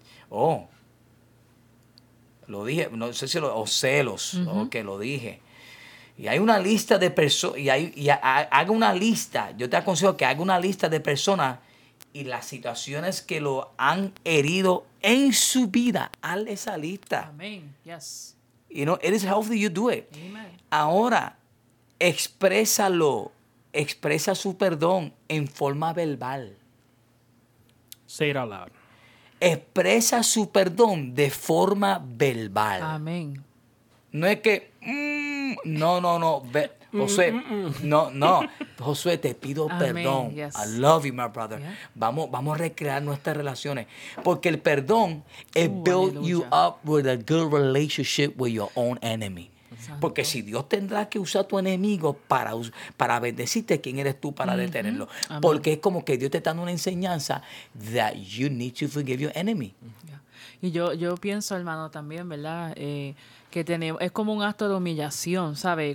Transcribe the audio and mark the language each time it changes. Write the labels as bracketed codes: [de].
[es] Oh, lo dije, no sé si lo, o celos, uh-huh. que lo dije. Y hay una lista de personas, haga una lista, yo te aconsejo que haga una lista de personas y las situaciones que lo han herido en su vida, haz esa lista. Amén, yes. [en] You know, it is healthy you do it. Amen. [es] Ahora, exprésalo. Expresa su perdón en forma verbal. [en] Say it out loud. [es] Expresa su perdón de forma verbal. Amén. No es que... No. Josué, no. Josué, te pido perdón. [en] Yes. I love you, my brother. Yeah. [es] Vamos a recrear nuestras relaciones. Porque el perdón es build aleluya. [en] You up with a good relationship with your own enemy. [es] Porque si Dios tendrá que usar a tu enemigo para bendecirte, ¿quién eres tú para mm-hmm. detenerlo? Amén. Porque es como que Dios te está dando una enseñanza [en] that you need to forgive your enemy. [es] Yeah. Y yo pienso, hermano, también, ¿verdad? Que tenemos, es como un acto de humillación, ¿sabe?